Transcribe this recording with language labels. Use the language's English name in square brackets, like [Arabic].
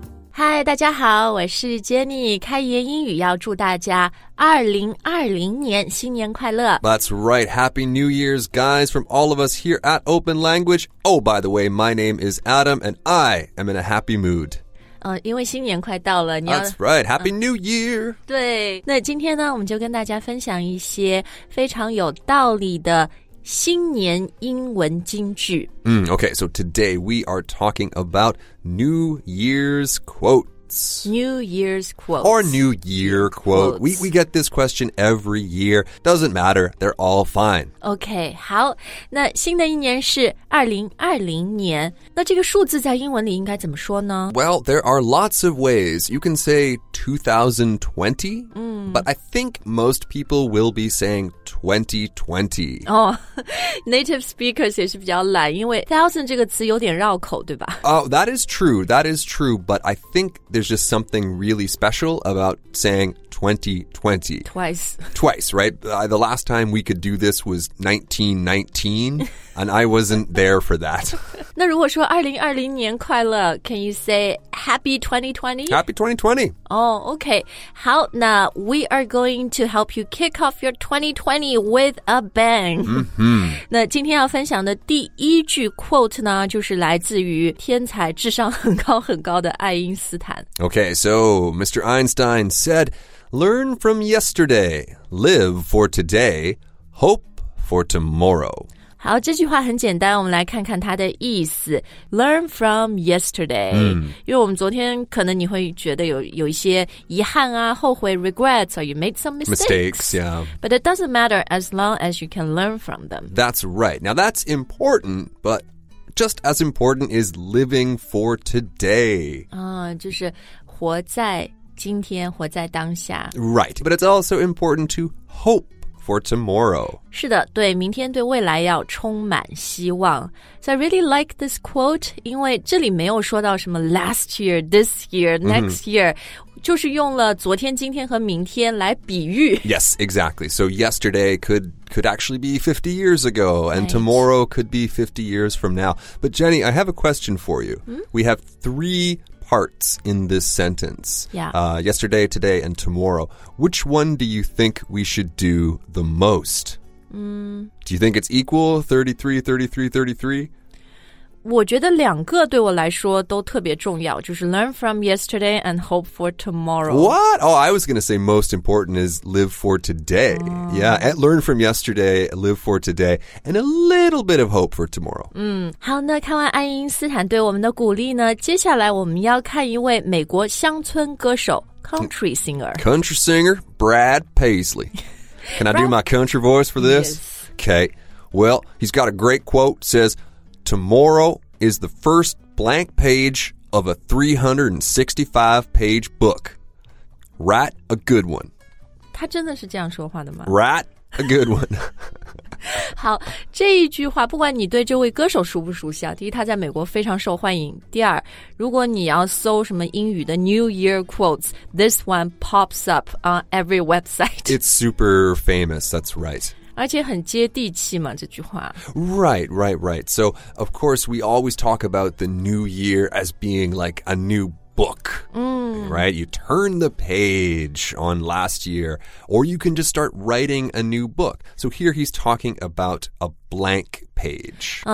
[Chinese] 嗨，大家好，我是 Jenny， 开言英语要祝大家2020年新年快乐。 [English] That's right, Happy New Year's, guys, from all of us here at Open Language. Oh, by the way, my name is Adam, and I am in a happy mood. [Chinese] 因为新年快到了，你 [English] 要 That's right, Happy New Year! [Chinese] 对，那今天呢，我们就跟大家分享一些非常有道理的新年英文金句。 [English] Okay, so today we are talking about New Year's quotes. New Year's quotes. Or New Year quote. We get this question every year. Doesn't matter, they're all fine. [Chinese] Okay, 好，那新的一年是2020年，那这个数字在英文里应该怎么说呢？ [English] Well, there are lots of ways. You can say 2020, but I think most people will be saying 2020. [Chinese] Oh, [English] native speakers [Chinese] 也是比较懒，因为 thousand 这个词有点绕口，对吧？ [English] Oh, that is true, that is true. But I think there's just something really special about saying 2020. Twice, right? The last time we could do this was 1919, and I wasn't there for that. [Chinese] 那如果说2020年快乐 [English] can you say Happy 2020? Happy 2020! Oh, okay. [Chinese] 好，那 [English] we are going to help you kick off your 2020 with a bang. Mm-hmm. [Chinese] 那今天要分享的第一句 quote 呢，就是来自于天才智商很高很高的爱因斯坦。 [English] Okay, so Mr. Einstein said, Learn from yesterday, live for today, hope for tomorrow. [Chinese] 好，这句话很简单，我们来看看它的意思。 [English] Learn from yesterday， [Chinese] 因为我们昨天可能你会觉得有一些遗憾啊，后悔 ， [English] regrets， or you made some mistakes, yeah. But it doesn't matter as long as you can learn from them. That's right. Now that's important, but just as important is living for today. [Chinese] 就是活在今天，活在当下。 [English] Right, but it's also important to hope. For tomorrow. [Chinese] 是的，对，明天对未来要充满希望。 [English] So I really like this quote, [Chinese] 因为这里没有说到什么 [English] last year, this year, next year, [Chinese] 就是用了昨天、今天和明天来比喻。 [English] Yes, exactly. So yesterday could actually be 50 years ago, and right. tomorrow could be 50 years from now. But Jenny, I have a question for you. We have three parts in this sentence. Yeah. Yesterday, today, and tomorrow. Which one do you think we should do the most? Do you think it's equal? 33, 33, 33? [Chinese] 我觉得两个对我来说都特别重要，就是 [English] learn from yesterday and hope for tomorrow. What? Oh, I was going to say most important is live for today. Yeah, learn from yesterday, live for today, and a little bit of hope for tomorrow. [Chinese] 好，那看完爱因斯坦对我们的鼓励呢，接下来我们要看一位美国乡村歌手 ,country singer. [English] Country singer, Brad Paisley. Can I do my country voice for this? Yes. Okay, well, he's got a great quote, says, Tomorrow is the first blank page of a 365-page book. Write a good one. [Chinese] 他真的是这样说话的吗？ [English] Write a good one. [Chinese] 好，这一句话不管你对这位歌手熟不熟悉啊，第一他在美国非常受欢迎，第二如果你要搜什么英语的 [English] New Year quotes, this one pops up on every website. It's super famous, that's right. [Chinese] 而且很接地气嘛，这句话。 [English] Right, right, right. So, of course, we always talk about the New Year as being like a new book, right? You turn the page on last year, or you can just start writing a new book. So here he's talking about a blank page.